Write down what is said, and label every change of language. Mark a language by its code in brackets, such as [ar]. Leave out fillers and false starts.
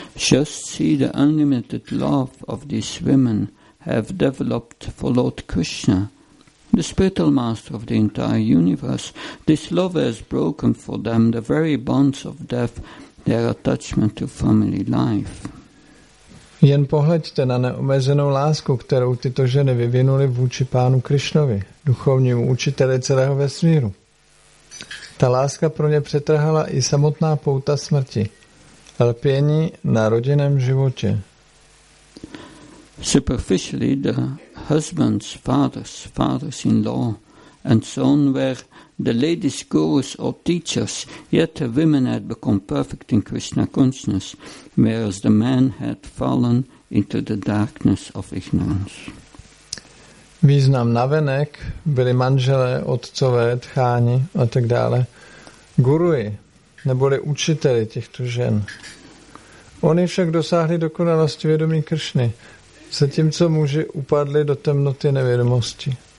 [en] Just see the unlimited love of these women have developed for Lord Krishna. The spiritual master of the entire universe, this love has broken for them the very bonds of death, their attachment to family life. [cs] Jen pohleďte na neomezenou lásku, kterou tyto ženy vyvinuly vůči pánu Krišnovi, duchovnímu učiteli celého vesmíru. Ta láska pro ně přetrhala i samotná pouta smrti, lpění na rodinném životě. [en] Superficially, the husbands, fathers, fathers-in-law, and so on were the ladies' gurus or teachers, yet the women had become perfect in Krishna consciousness, whereas the men had fallen into the darkness of ignorance. [cs] Význam navenek byli manželé, otcové, tcháni a tak dále. Guruji neboli učiteli těchto žen. Oni však dosáhli dokonalosti vědomí Kršny, zatímco muži upadli do temnoty nevědomosti.